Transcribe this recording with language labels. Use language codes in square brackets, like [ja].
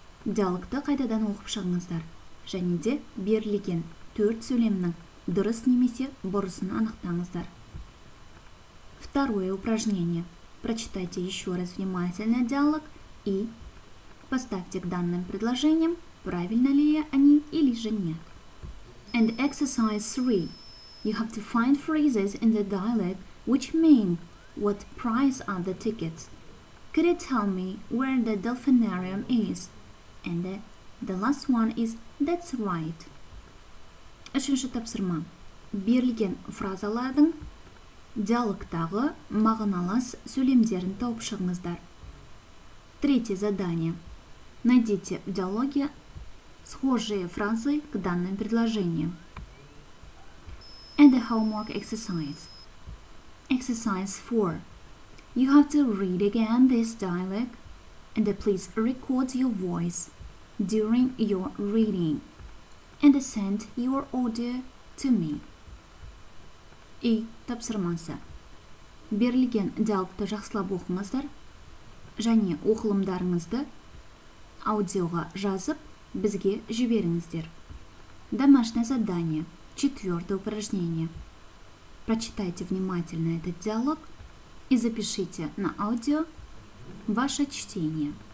[kk] Диалогты қайтадан оқып шығыңыздар. Және де берілген 4 сөйлемнің дұрыс немесе бұрысын анықтаңыздар. [ru] Второе упражнение. Прочитайте еще раз внимательно диалог и поставьте к данным предложениям, правильно ли они или же нет. [en] And exercise 3. You have to find phrases in the dialogue which mean what price are the tickets. Could you tell me where the Dolphinarium is? And the last one is that's right. [kk] Үшінші тапсырма. Берілген фразалардың диалогтағы мағыналас сөйлемдерін тауып шығыңыздар. [ru] Третье задание. Найдите в диалоге схожие фразы к данным предложениям. [en] And the homework exercise. Exercise 4. You have to read again this dialogue and please record your voice during your reading and send your audio to me. [kk] И тапсырмасы. Берілген диалогты жақсылап оқыңыздар және оқылымдарыңызды аудиоға жазып, бізге жіберіңіздер. [ru] Домашнее задание. Четвертое упражнение. Прочитайте внимательно этот диалог и запишите на аудио ваше чтение.